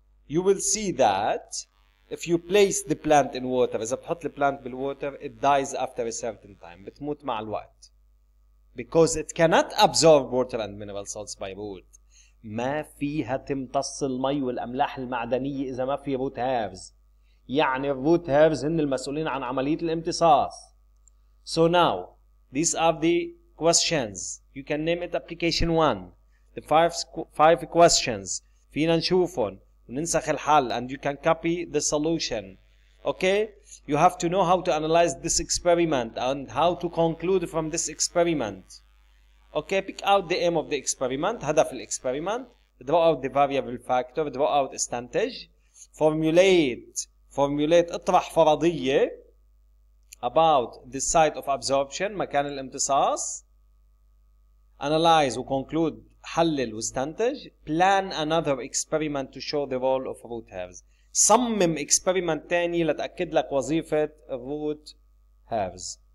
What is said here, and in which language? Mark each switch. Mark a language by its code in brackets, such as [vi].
[en] You will see that if you place the plant in water, [ar] إذا بتحط [en] the plant بالwater, it dies after a certain time. [ar] بتموت مع الوقت. [en] Because it cannot absorb water and mineral salts by root. [ar] ما فيها تمتص المي والأملاح المعدنية إذا ما فيها root herbs. يعني root herbs هن المسؤولين عن عملية الامتصاص. [en] So now, these are the questions. You can name it application one. The five questions. [ar] فينا نشوفهم. وننسخ الحل [en] and you can copy the solution. Okay? You have to know how to analyze this experiment and how to conclude from this experiment. Okay? Pick out the aim of the experiment, [ar] هدف الاكسبيرمنت. [en] Draw out the variable factor, draw out استنتج. Formulate, [ar] اطرح فرضية [en] about the site of absorption, [ar] مكان الامتصاص. [en] Analyze و conclude. [ar] حلل واستنتج. [en] Plan another experiment to show the role of root herbs. [ar] صمم experiment تاني لتأكد لك وظيفة root herbs.